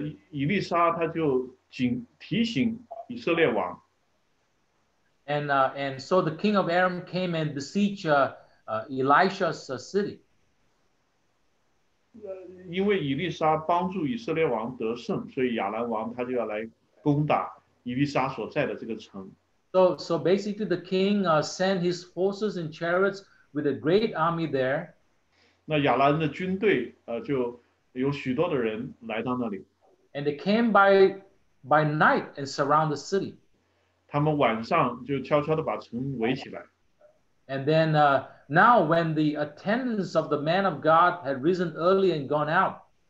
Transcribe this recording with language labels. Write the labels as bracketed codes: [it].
[zh] 以利沙他就提醒, 以色列王, [en] and so the king of Aram came and besieged Elisha's city. [zh] 因为以利沙帮助以色列王得胜, 所以亚兰王他就要来攻打以利沙所在的这个城。 [en] So basically the king sent his forces and chariots with a great army there. [zh] 那亚兰的军队, 就有许多的人来到那里。 [en] And they came by night and surround the city. [zh] 他们晚上就悄悄地把城围起来。 [en] And then now when the attendants of the man of God had risen early and gone out,